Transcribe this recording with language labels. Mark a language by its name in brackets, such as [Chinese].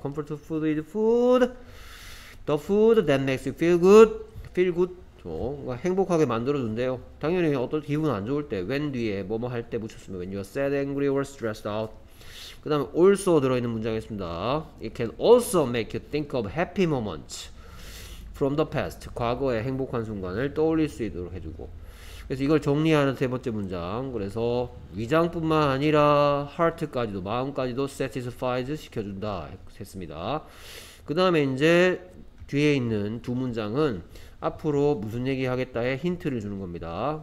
[English] Comfort food is food, the food that makes you feel good, feel good. [Korean] 행복하게 만들어준대요. 당연히 어떤 기분 안 좋을 때, when 뒤에 뭐뭐 할때 붙였으면 [English] when you are sad, angry, or stressed out. [Korean] 그 다음에 also 들어있는 문장이 있습니다. [English] It can also make you think of happy moments from the past. [Korean] 과거의 행복한 순간을 떠올릴 수 있도록 해주고. 그래서 이걸 정리하는 세 번째 문장. 그래서 위장뿐만 아니라 heart까지도, 마음까지도 satisfies 시켜준다 했습니다. 그 다음에 이제 뒤에 있는 두 문장은 앞으로 무슨 얘기 하겠다에 힌트를 주는 겁니다.